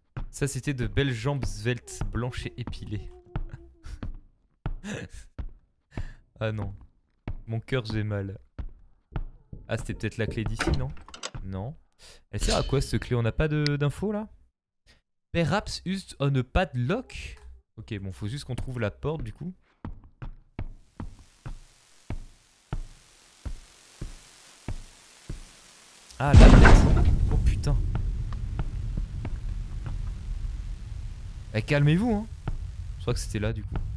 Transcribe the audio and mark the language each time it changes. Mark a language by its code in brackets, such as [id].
[fr] Ça, c'était de belles jambes sveltes, blanches et épilées. Ah non. Mon cœur, j'ai mal. Ah, c'était peut-être la clé d'ici, non? Non. Elle sert à quoi, cette clé? On n'a pas d'infos, là? [en] Perhaps used on a padlock? [fr] Ok, bon, faut juste qu'on trouve la porte du coup. Ah, la tête! Oh putain! Eh, calmez-vous, hein! Je crois que c'était là du coup.